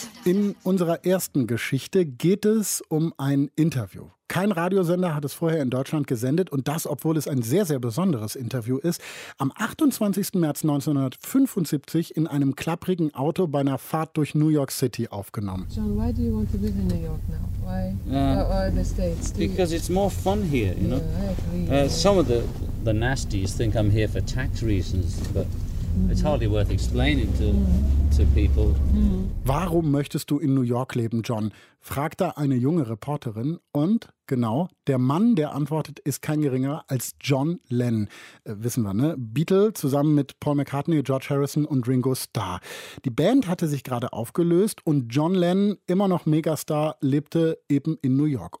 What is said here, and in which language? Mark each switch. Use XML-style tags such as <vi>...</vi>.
<de>In unserer ersten Geschichte geht es um ein Interview. Kein Radiosender hat es vorher in Deutschland gesendet und das, obwohl es ein sehr, sehr besonderes Interview ist. Am 28. März 1975 in einem klapprigen Auto bei einer Fahrt durch New York City aufgenommen.</de> <en>John, why do you want to live in New York now? Why the States? Because it's more fun here, you know. Yeah, I agree. Some of the nasties think I'm here for tax reasons, but it's hardly worth explaining to people.</en> <de>Warum möchtest du in New York leben, John? Fragt da eine junge Reporterin. Und genau, der Mann, der antwortet, ist kein geringer als John Lennon. Wissen wir, ne? Beatle zusammen mit Paul McCartney, George Harrison und Ringo Starr. Die Band hatte sich gerade aufgelöst und John Lennon, immer noch Megastar, lebte eben in New York.</de>